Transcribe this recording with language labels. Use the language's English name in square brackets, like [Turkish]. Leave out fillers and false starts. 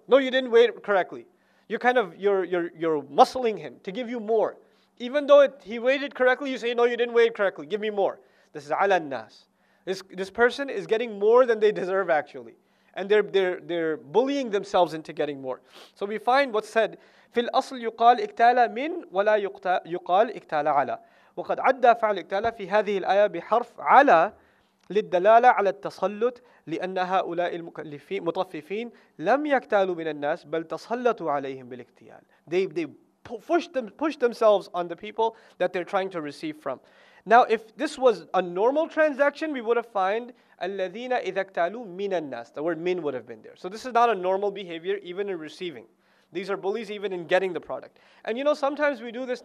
[English] No, you didn't weigh it correctly. You're muscling him to give you more. Even though he weighed it correctly, you say, no, you didn't weigh it correctly. Give me more. This is ala an-nas. This person is getting more than they deserve, actually. And they're bullying themselves into getting more. So we find what's said, [Arabic] فِي الْأَصْلِ يُقَالِ اِكْتَالَ مِنْ وَلَا يُقَالِ اِكْتَالَ عَلَى وَقَدْ عَدَّى فَعْلِ اِكْتَالَ فِي هَذِهِ الْآيَا بِحَرْفْ عَلَى للدلالة على التسلط لأن هؤلاء المطففين لم يكتالوا من الناس بل تسلطوا عليهم بالاكتيال. [English] They push themselves on the people that they're trying to receive from. Now, if this was a normal transaction, we would have found [Arabic] الذين إذا اكتالوا من الناس. [English] The word من would have been there. So this is not a normal behavior even in receiving. These are bullies even in getting the product. And you know, sometimes we do this.